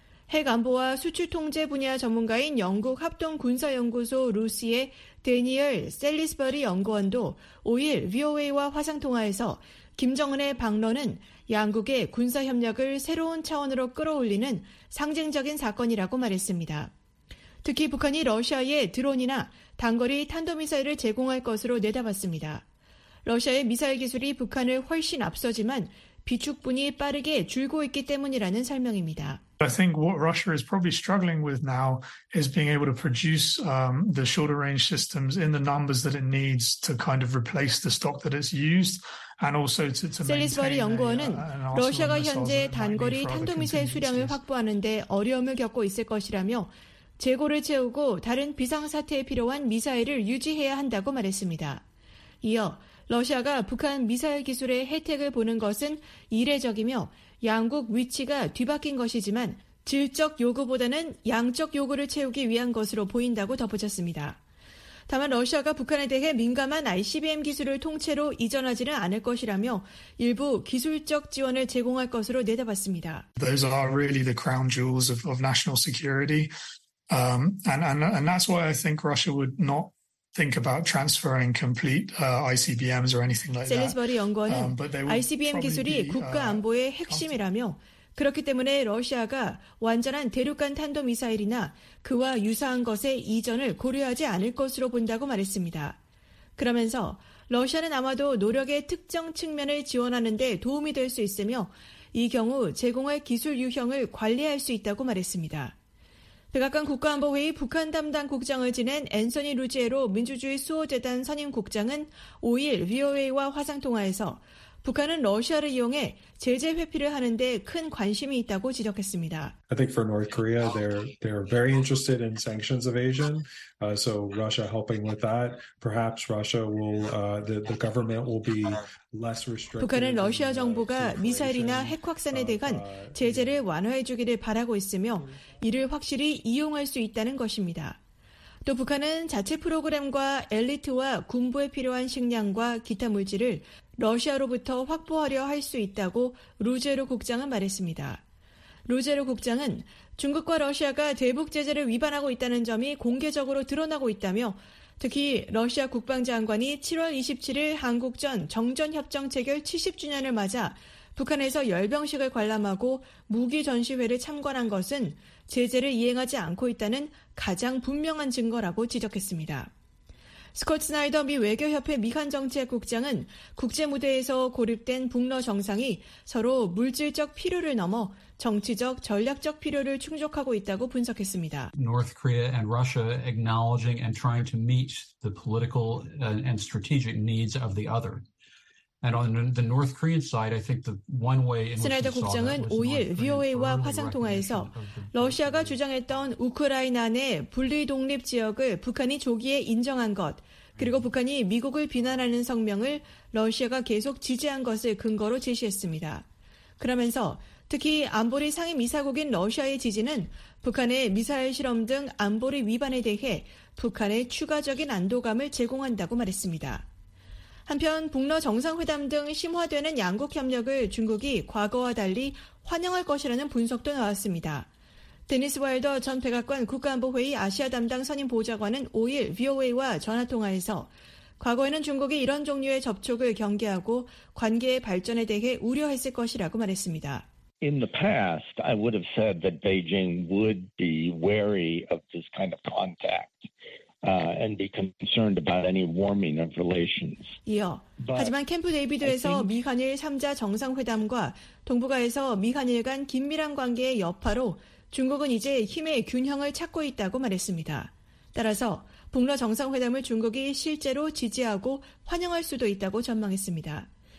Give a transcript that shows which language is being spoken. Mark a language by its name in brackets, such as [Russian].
[Korean] 핵 안보와 수출 통제 분야 전문가인 영국 합동군사연구소 루시의 데니얼 셀리스버리 연구원도 5일 VOA와 화상통화에서 김정은의 방러는 양국의 군사협력을 새로운 차원으로 끌어올리는 상징적인 사건이라고 말했습니다. 특히 북한이 러시아에 드론이나 단거리 탄도미사일을 제공할 것으로 내다봤습니다. 러시아의 미사일 기술이 북한을 훨씬 앞서지만 비축분이 빠르게 줄고 있기 때문이라는 설명입니다. [English] I think what Russia is probably struggling with now is being able to produce the shorter range systems in the numbers that it needs to kind of replace the stock that it's used. [Korean] 셀리스버리 연구원은 러시아가 현재 단거리 탄도미사일 수량을 확보하는 데 어려움을 겪고 있을 것이라며 재고를 채우고 다른 비상사태에 필요한 미사일을 유지해야 한다고 말했습니다. 이어 러시아가 북한 미사일 기술의 혜택을 보는 것은 이례적이며 양국 위치가 뒤바뀐 것이지만 질적 요구보다는 양적 요구를 채우기 위한 것으로 보인다고 덧붙였습니다. 다만 러시아가 북한에 대해 민감한 ICBM 기술을 통째로 이전하지는 않을 것이라며 일부 기술적 지원을 제공할 것으로 내다봤습니다. [English] Those are really the crown jewels of national security. And that's why I think Russia would not think about transferring complete ICBMs or anything like that. [Korean] 셀리스버리 연구원은 ICBM 기술이 국가 안보의 핵심이라며 그렇기 때문에 러시아가 완전한 대륙간 탄도미사일이나 그와 유사한 것의 이전을 고려하지 않을 것으로 본다고 말했습니다. 그러면서 러시아는 아마도 노력의 특정 측면을 지원하는 데 도움이 될 수 있으며 이 경우 제공할 기술 유형을 관리할 수 있다고 말했습니다. 백악관 국가안보회의 북한 담당 국장을 지낸 앤서니 루지에로 민주주의 수호재단 선임 국장은 5일 VOA와 화상통화에서 북한은 러시아를 이용해 제재 회피를 하는데 큰 관심이 있다고 지적했습니다. [English] I think for North Korea, they're very interested in sanctions evasion. So Russia helping with that, perhaps Russia will the government will be less restrictive. [Korean] 북한은 러시아 정부가 미사일이나 핵 확산에 대한 제재를 완화해 주기를 바라고 있으며 이를 확실히 이용할 수 있다는 것입니다. 또 북한은 자체 프로그램과 엘리트와 군부에 필요한 식량과 기타 물질을 러시아로부터 확보하려 할 수 있다고 루제로 국장은 말했습니다. 루제로 국장은 중국과 러시아가 대북 제재를 위반하고 있다는 점이 공개적으로 드러나고 있다며 특히 러시아 국방장관이 7월 27일 한국전 정전협정 체결 70주년을 맞아 북한에서 열병식을 관람하고 무기 전시회를 참관한 것은 제재를 이행하지 않고 있다는 가장 분명한 증거라고 지적했습니다. 스콧 스나이더 미 외교협회 미한정책국장은 국제무대에서 고립된 북러 정상이 서로 물질적 필요를 넘어 정치적, 전략적 필요를 충족하고 있다고 분석했습니다. [English] North Korea and Russia acknowledging and trying to meet the political and strategic needs of the other. And on the North Korean side, I think the one way in which we saw that was North Korean recognition of the Korean Peninsula. [Korean] 와 화상통화에서 러시아가 주장했던 우크라이나 내 분리 독립 지역을 북한이 조기에 인정한 것, 그리고 북한이 미국을 비난하는 성명을 러시아가 계속 지지한 것을 근거로 제시했습니다. 그러면서 특히 안보리 상임이사국인 러시아의 지지는 북한의 미사일 실험 등 안보리 위반에 대해 북한의 추가적인 안도감을 제공한다고 말했습니다. 한편 북러 정상회담 등 심화되는 양국 협력을 중국이 과거와 달리 환영할 것이라는 분석도 나왔습니다. 데니스 와일더 전 백악관 국가안보회의 아시아 담당 선임 보좌관은 5일 VOA와 전화통화에서 과거에는 중국이 이런 종류의 접촉을 경계하고 관계의 발전에 대해 우려했을 것이라고 말했습니다. In the past, I would have said that Beijing would be wary of this kind of contact. And be concerned about any warming of relations. 이어, 하지만 캠프 데이비드에서 미한일 3자 정상회담과 동북아에서 미한일 간 긴밀한 관계의 여파로 중국은 이제 힘의 균형을 찾고 있다고 말했습니다. 따라서 북러 정상회담을 중국이 실제로 지지하고 환영할 수도 있다고 전망했습니다.